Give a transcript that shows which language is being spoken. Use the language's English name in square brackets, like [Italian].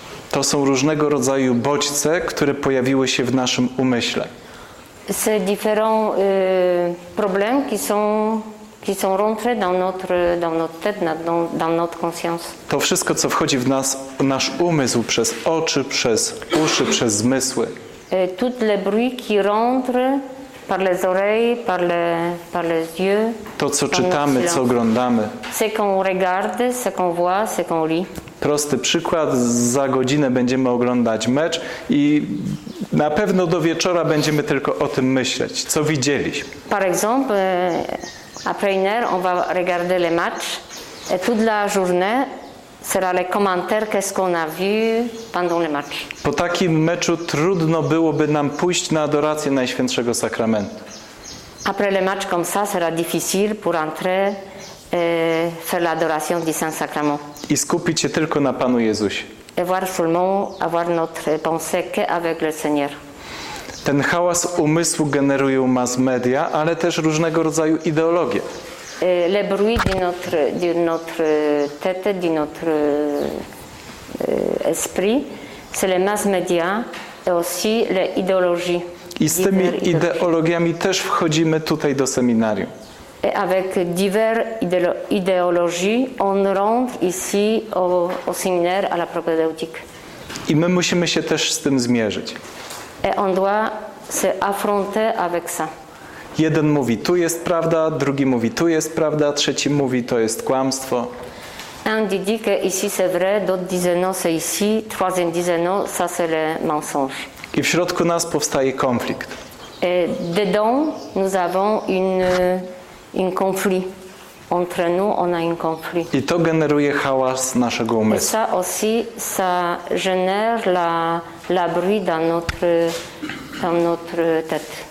[Polish] To są różnego rodzaju bodźce, które pojawiły się w naszym umyśle. [French] C'est différents problèmes qui sont rentrés dans notre tête, dans notre conscience. [Polish] To wszystko, co wchodzi w nas, nasz umysł, przez oczy, przez uszy, przez zmysły. [French] Tout le bruit qui rentre par les oreilles, par les yeux. [Polish] To, co czytamy, co oglądamy. [French] Ce qu'on regarde, ce qu'on voit, ce qu'on lit. [Polish] Prosty przykład, za godzinę będziemy oglądać mecz i na pewno do wieczora będziemy tylko o tym myśleć, co widzieliśmy. [French] Par exemple, après une heure, on va regarder le match. Et toute la journée sera le commentaire, qu'est-ce qu'on a vu pendant le match. [Polish] Po takim meczu trudno byłoby nam pójść na adorację Najświętszego Sakramentu. [French] Après le match comme ça, sera difficile pour entrer faire l'adoration du Saint-Sacrement. [Polish] I skupić się tylko na Panu Jezusie. [French] Et voir seulement, avoir notre pensée que avec le Seigneur. [Polish] Ten hałas umysłu generują mass media, ale też różnego rodzaju ideologie. [French] Le bruit de notre tête, de notre esprit, c'est les mass media et aussi les idéologies. [Polish] I z tymi ideologiami też wchodzimy tutaj do seminarium. [French] Avec divers idéologies, on rentre ici au séminaire à la propédeutique. [Polish] I my musimy się też z tym zmierzyć. [French] Et on doit se affronter avec ça. [Polish] Jeden mówi, tu jest prawda, drugi mówi, tu jest prawda, trzeci mówi, to jest kłamstwo. [French] Un dit que ici c'est vrai, d'autres disent non, c'est ici, troisième disent non, ça c'est le mensonge. [Polish] I w środku nas powstaje konflikt. [French] Et dedans, nous avons un conflit. Entre nous, on a un conflit. [Polish] I to generuje hałas naszego umysłu. [French] Et ça aussi, ça génère la bruit dans notre tête.